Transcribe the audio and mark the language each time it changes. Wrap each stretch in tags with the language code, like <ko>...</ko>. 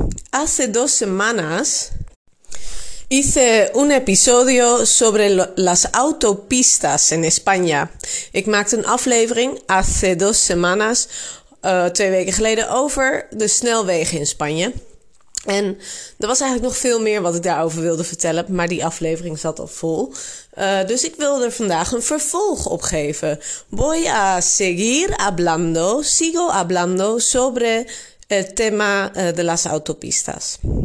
<es>Hace 2 semanas hice un episodio sobre las autopistas en España.</es> <nl>Ik maakte een aflevering</nl> <es>hace 2 semanas,</es> <nl>2 weken geleden, over de snelwegen in Spanje. En er was eigenlijk nog veel meer wat ik daarover wilde vertellen, maar die aflevering zat al vol. Dus ik wil er vandaag een vervolg op geven.</nl> <es>Voy a seguir hablando, sigo hablando sobre el tema de las autopistas.</es>